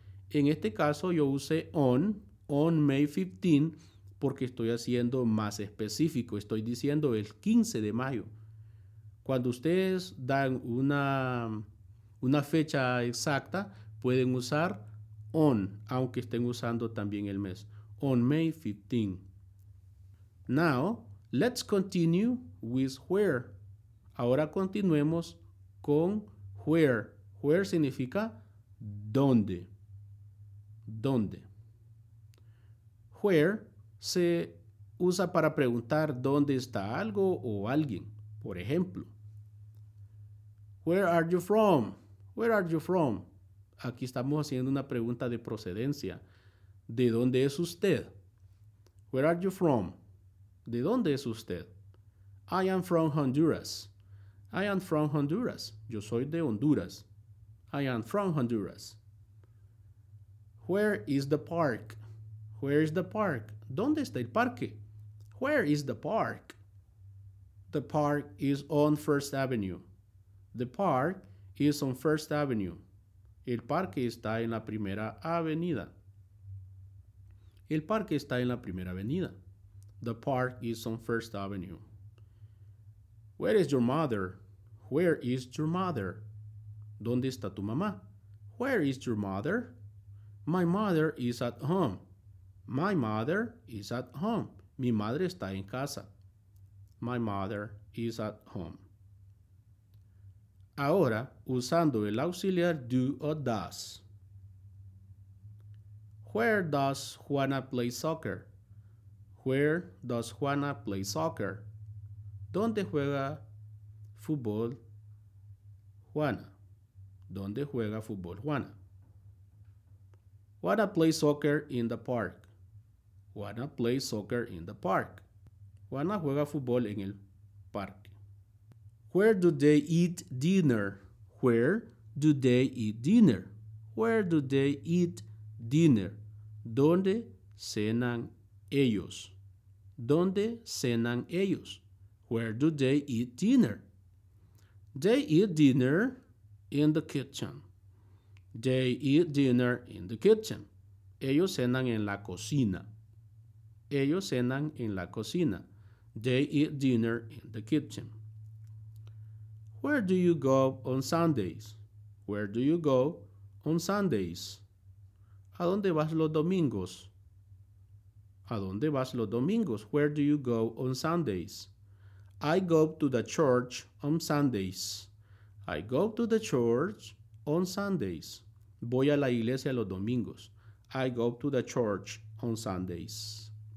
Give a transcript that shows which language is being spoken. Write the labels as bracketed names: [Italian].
[Spanish] En este caso yo usé [English] on May 15 [Spanish] porque estoy haciendo más específico. Estoy diciendo el 15 de mayo. Cuando ustedes dan una fecha exacta, pueden usar on, aunque estén usando también el mes. [English] On May 15. Now, let's continue with where. [Spanish] Ahora continuemos con where. Where significa dónde. ¿Dónde? Where se usa para preguntar dónde está algo o alguien. Por ejemplo, [English] Where are you from? Where are you from? [Spanish] Aquí estamos haciendo una pregunta de procedencia. ¿De dónde es usted? [English] Where are you from? [Spanish] ¿De dónde es usted? [English] I am from Honduras. I am from Honduras. [Spanish] Yo soy de Honduras. [English] I am from Honduras. Where is the park? Where is the park? [Spanish] ¿Dónde está el parque? [English] Where is the park? The park is on First Avenue. The park is on First Avenue. [Spanish] El parque está en la primera avenida. El parque está en la primera avenida. [English] The park is on First Avenue. Where is your mother? Where is your mother? [Spanish] ¿Dónde está tu mamá? [English] Where is your mother? My mother is at home. My mother is at home. [Spanish] Mi madre está en casa. [English] My mother is at home. [Spanish] Ahora, usando el auxiliar do o does. [English] Where does Juana play soccer? Where does Juana play soccer? [Spanish] ¿Dónde juega fútbol Juana? ¿Dónde juega fútbol Juana? [English] Juana plays soccer in the park. Juana plays soccer in the park. [Spanish] Juana juega fútbol en el parque. [English] Where do they eat dinner? Where do they eat dinner? Where do they eat dinner? [Spanish] ¿Dónde cenan ellos? ¿Dónde cenan ellos? [English] Where do they eat dinner? They eat dinner in the kitchen. They eat dinner in the kitchen. [Spanish] Ellos cenan en la cocina. Ellos cenan en la cocina. [English] They eat dinner in the kitchen. Where do you go on Sundays? Where do you go on Sundays? [Spanish] ¿A dónde vas los domingos? ¿A dónde vas los domingos? [English] Where do you go on Sundays? I go to the church on Sundays. I go to the church on Sundays. [Spanish] Voy a la iglesia los domingos. [English] I go to the church on Sundays.